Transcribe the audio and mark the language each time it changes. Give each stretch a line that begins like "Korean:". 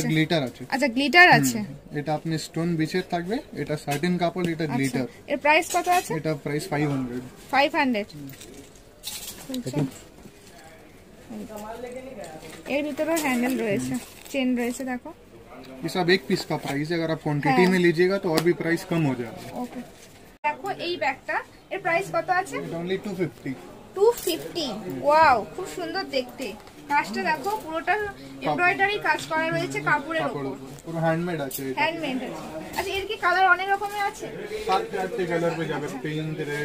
Bangla: এটা গ্লিটার আছে আচ্ছা গ্লিটার আছে এটা আপনি স্টোন বিচের থাকবে এটা সার্টেন কাপড় এটা গ্লিটার এর প্রাইস কত আছে এটা প্রাইস 500 এর ভিতরে হ্যান্ডেল রয়েছে চেইন রয়েছে দেখো এই সব এক পিস কা প্রাইস
Hindi: अगर आप क्वांटिटी में लीजिएगा तो और भी प्राइस कम हो जाएगा ओके देखो
Bangla: এই ব্যাগটা এর প্রাইস কত আছে
English: only 250
Bangla: 250 ওয়াও খুব সুন্দর দেখতে কাজটা দেখো পুরোটা এমব্রয়ডারি কাজ করা রয়েছে কাপড়ের উপর পুরো হ্যান্ডমেড আছে এটা হ্যান্ডমেড আছে আচ্ছা এর কি কালার অনেক রকমে আছে সাত আটটা কালার পেয়ে যাবে পেইন্ট এর